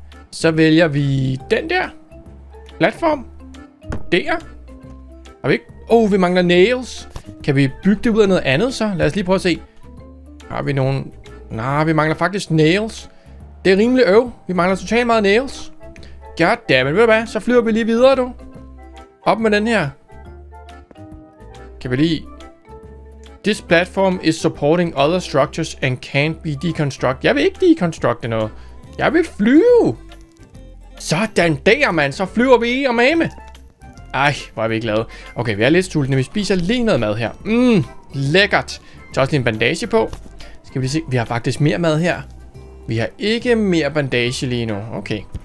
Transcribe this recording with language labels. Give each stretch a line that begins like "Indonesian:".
Danish: Så vælger vi den der. Platform. Der. Har vi ikke? Vi mangler nails. Kan vi bygge det ud af noget andet så? Lad os lige prøve at se. Har vi nogen? Nej, vi mangler faktisk nails. Det er rimelig øv. Vi mangler totalt meget nails. Goddammit, ved du hvad? Så flyver vi lige videre, du. Op med den her. Kan vi lige...
English: This platform is supporting other structures and can't be deconstructed.
Danish: Jeg vil ikke deconstructe noget. Jeg vil flyve. Sådan der, mand. Så flyver vi i og mame. Ej, hvor er vi glade. Okay, vi er lidt sultne. Vi spiser lige noget mad her. Mmm, lækkert. Så også lige en bandage på. Skal vi lige se. Vi har faktisk mere mad her. Vi har ikke mere bandage lige nu. Okay.